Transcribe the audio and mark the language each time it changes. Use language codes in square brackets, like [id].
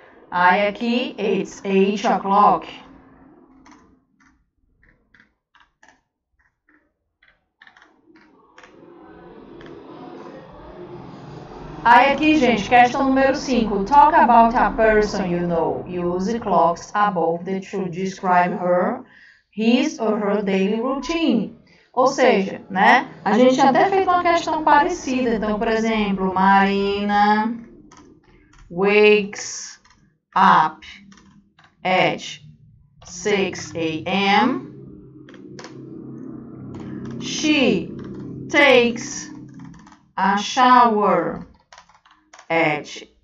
[pt] Aí aqui, [en] it's 8 o'clock. [pt] Aí aqui, gente, questão número 5. [en] Talk about a person you know. Use clocks above the to describe her, his or her daily routine. [pt] Ou seja, né? A gente até fez uma questão parecida. Então, por exemplo, [en] Marina wakes up at 6 a.m. She takes a shower at